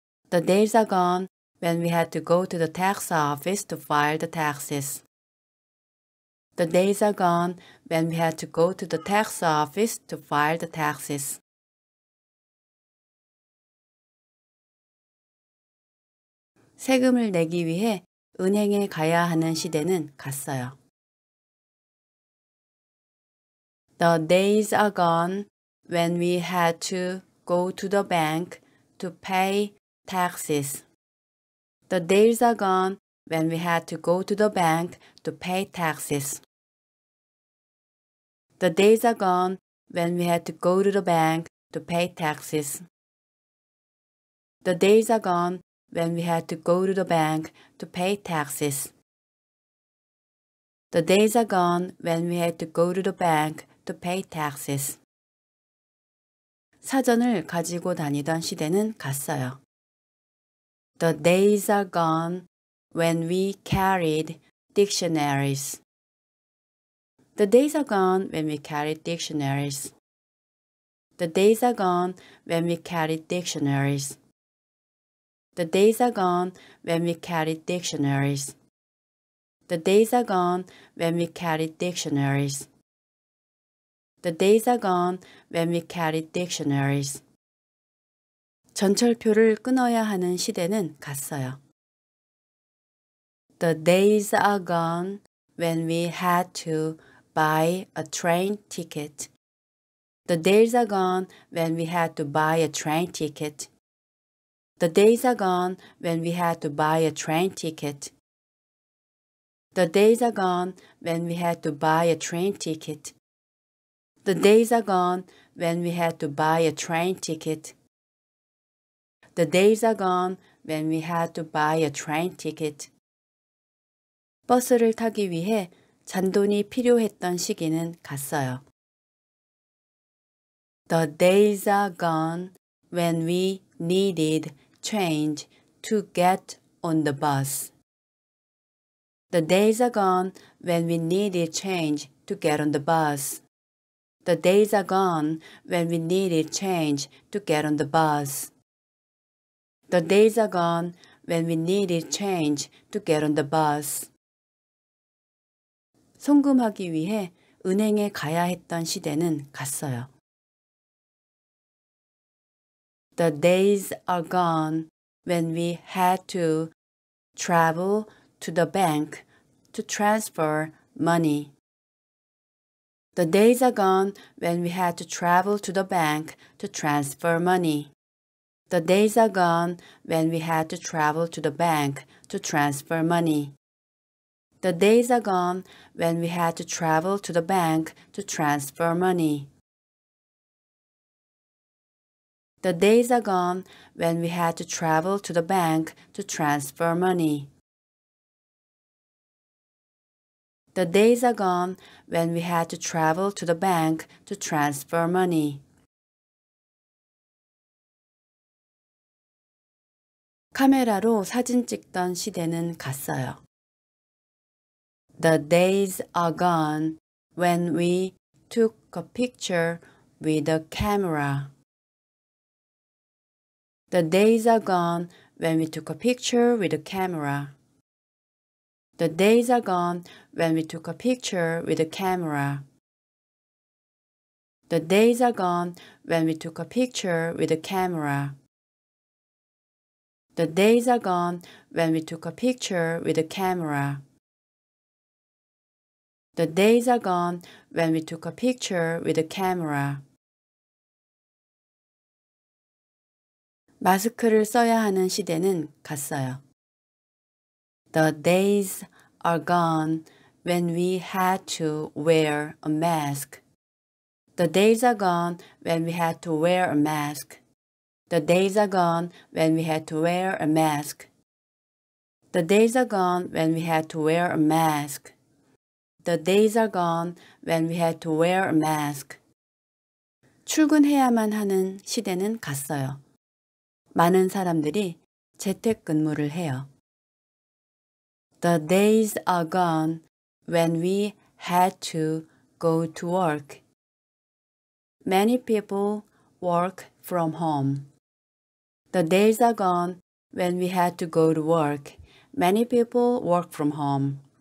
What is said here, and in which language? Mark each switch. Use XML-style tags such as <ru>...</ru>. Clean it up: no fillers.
<en>The days are gone when we had to go to the tax office to file the taxes. The days are gone when we had to go to the tax office to file the taxes.</en> <ko>세금을 내기 위해 은행에 가야 하는 시대는 갔어요.</ko> <en>The days are gone when we had to go to the bank to pay taxes. The days are gone when we had to go to the bank to pay taxes. The days are gone when we had to go to the bank to pay taxes. The days are gone when we had to go to the bank to pay taxes. The days are gone when we had to go to the bank to pay taxes.</en> <ko>사전을 가지고 다니던 시대는 갔어요.</ko> <en>The days are gone when we carried dictionaries. The days are gone when we carried dictionaries. The days are gone when we carried dictionaries. The days are gone when we carried dictionaries. The days are gone when we carried dictionaries. The days are gone when we carried dictionaries.</en> <ko>전철표를 끊어야 하는 시대는 갔어요.</ko> <en>The days are gone when we had to buy a train ticket. The days are gone when we had to buy a train ticket. The days are gone when we had to buy a train ticket. The days are gone when we had to buy a train ticket. The days are gone when we had to buy a train ticket. The days are gone when we had to buy a train ticket.</en> <ko>버스를 타기 위해 잔돈이 필요했던 시기는 갔어요.</ko> <en>The days are gone when we needed change to get on the bus. The days are gone when we needed change to get on the bus. The days are gone when we needed change to get on the bus. The days are gone when we needed change to get on the bus.</en> <ko>송금하기 위해 은행에 가야 했던 시대는 갔어요.</ko> <en>The days are gone when we had to travel to the bank to transfer money. The days are gone when we had to travel to the bank to transfer money. The days are gone when we had to travel to the bank to transfer money. The days are gone when we had to travel to the bank to transfer money. The days are gone when we had to travel to the bank to transfer money. The days are gone when we had to travel to the bank to transfer money.</en> <ko>카메라로 사진 찍던 시대는 갔어요.</ko> <en>The days are gone when we took a picture with a camera. The days are gone when we took a picture with a camera. The days are gone when we took a picture with a camera. The days are gone when we took a picture with a camera. The days are gone when we took a picture with a camera. The days are gone when we took a picture with a camera.</en> <ko>마스크를 써야 하는 시대는 갔어요.</ko> <en>The days are gone when we had to wear a mask. The days are gone when we had to wear a mask. The days are gone when we had to wear a mask. The days are gone when we had to wear a mask. The days are gone when we had to wear a mask.</en> <ko>출근해야만 하는 시대는 갔어요. 많은 사람들이 재택근무를 해요.</ko> <en>The days are gone when we had to go to work. Many people work from home. The days are gone When we had to go to work, many people work from home.</en>